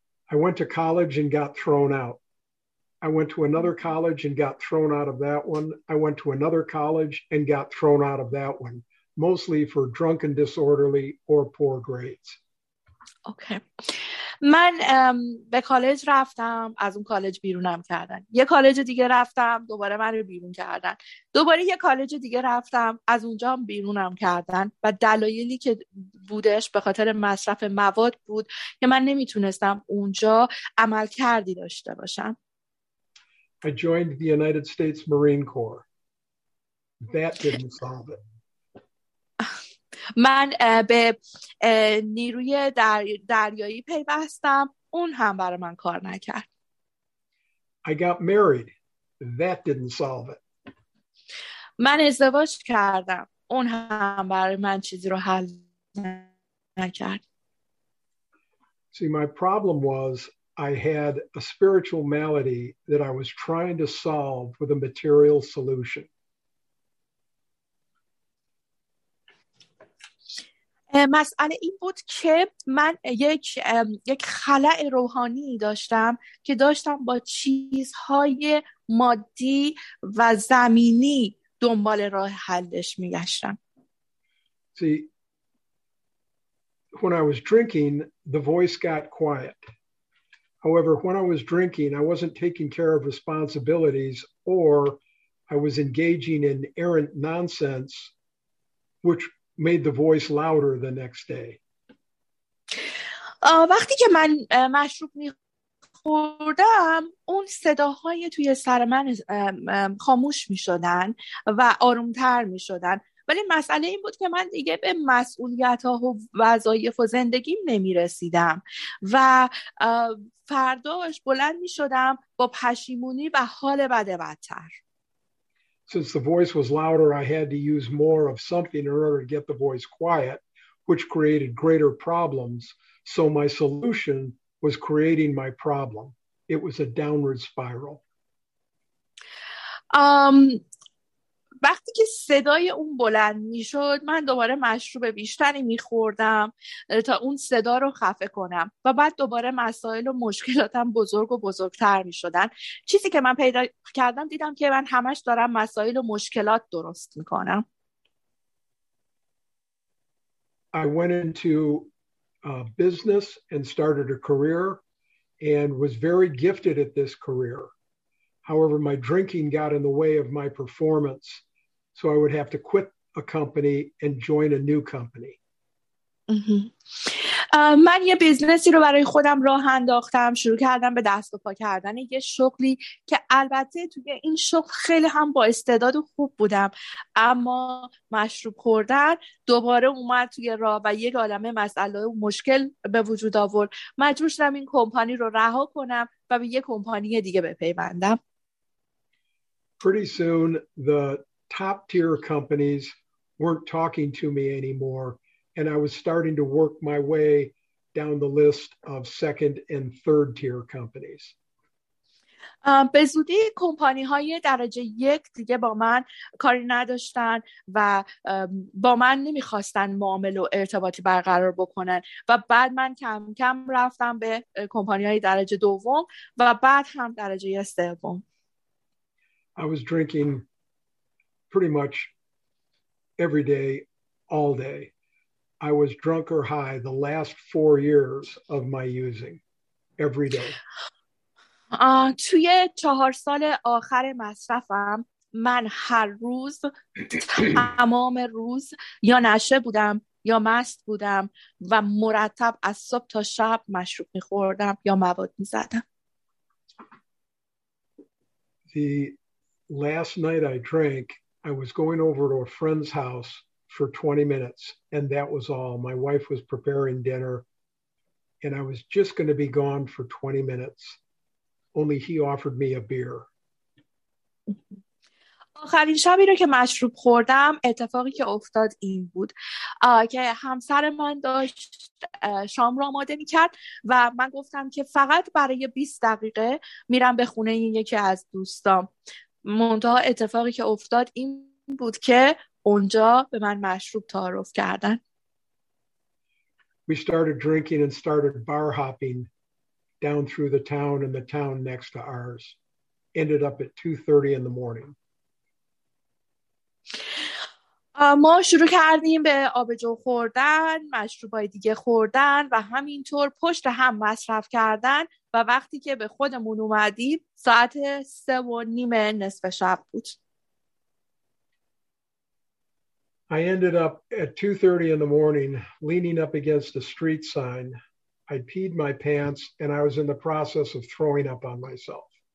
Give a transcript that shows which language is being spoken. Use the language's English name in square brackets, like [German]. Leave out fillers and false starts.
[English] I went to college and got thrown out. I went to another college and got thrown out of that one. I went to another college and got thrown out of that one, mostly for drunk and disorderly or poor grades. Okay. [Persian] من به کالج رفتم، از اون کالج بیرونم کردن. یه کالج دیگه رفتم، دوباره من رو بیرون کردن. دوباره یه کالج دیگه رفتم، از اونجا هم بیرونم کردن. و دلایلی که بودش به خاطر مصرف مواد بود که من نمیتونستم اونجا عمل کردی داشته باشم. [English] I joined the United States Marine Corps. That didn't solve it. [Persian] من به نیروی دریایی پیوستم، اون هم برای من کار نکرد. [English] I got married. That didn't solve it. [Persian] من ازدواج کردم، اون هم برای من چیزی رو حل نکرد. [English] See, my problem was I had a spiritual malady that I was trying to solve with a material solution. [Persian] مسئله این بود که من یک خلأ روحانی داشتم که داشتم با چیزهای مادی و زمینی دنبال راه حلش می‌گشتم. [English] See, when I was drinking, the voice got quiet. However, when I was drinking, I wasn't taking care of responsibilities or I was engaging in errant nonsense, which made the voice louder the next day. [Persian] وقتی که من مشروب می‌خوردم اون صداهای توی سر من خاموش می‌شدن و آروم‌تر می‌شدن ولی مسئله این بود که من دیگه به مسئولیت‌ها و وظایف و زندگیم نمی‌رسیدم و فرداش بلند می‌شدم با پشیمونی و حال بد بدتر. [English] Since the voice was louder, I had to use more of something in order to get the voice quiet, which created greater problems. So my solution was creating my problem. It was a downward spiral. [Persian] وقتی که صدای اون بلند میشد من دوباره مشروب بیشتری میخوردم تا اون صدا رو خفه کنم و بعد دوباره مسائل و مشکلاتم بزرگ و بزرگتر میشدن. چیزی که من پیدا کردم دیدم که من همش دارم مسائل و مشکلات درست میکنم. [English] I went into business and started a career and was very gifted at this career. However, my drinking got in the way of my performance. So I would have to quit a company and join a new company. [Persian] من یه بیزنسی رو برای خودم راه انداختم، شروع کردم به دست و پا کردن یه شغلی که البته توی این شغل خیلی هم با استعداد و خوب بودم، اما مشروب خوردن دوباره اومد توی راه و یک عالمه مسئله و مشکل به وجود آورد. مجبور شدم این کمپانی رو رها کنم و به یه کمپانی دیگه بپیوندم. [English] Pretty soon the top tier companies weren't talking to me anymore, and I was starting to work my way down the list of second and third tier companies. [Persian] به زودی کمپانی های درجه یک دیگه با من کاری نداشتن و با من نمیخواستن معامله و ارتباطی برقرار بکنن و بعد من کم کم رفتم به کمپانی های درجه دوم و بعد هم درجه سوم. [English] I was drinking pretty much every day, all day. I was drunk or high the last 4 years of my using, every day. [Persian] توی 4 سال آخر مصرفم من هر روز تمام روز یا نشه بودم یا مست بودم و مرتب از صبح تا شب مشروب می‌خوردم یا مواد می‌زدم. [English] The last night I drank, I was going over to a friend's house for 20 minutes, and that was all. My wife was preparing dinner, and I was just going to be gone for 20 minutes. Only he offered me a beer. [Persian] آخرین شبی رو که مشروب خوردم اتفاقی که افتاد این بود که همسر من داشت شام رو آماده می‌کرد و من گفتم که فقط برای 20 دقیقه میرم به خونه یکی از دوستام. منتها اتفاقی که افتاد این بود که اونجا به من مشروب تعارف کردن. [English] We started drinking and started bar hopping down through the town and the town next to ours. Ended up at 2:30 in the morning. [Persian] ما شروع کردیم به آبجو خوردن، مشروبای دیگه خوردن و همینطور پشت هم مصرف کردن و وقتی که به خودمون اومدیم ساعت 3:30 نصف شب بود. [English] I ended up at 2:30 in the morning leaning up against a street sign. I peed my pants and I was in the process of throwing up on myself.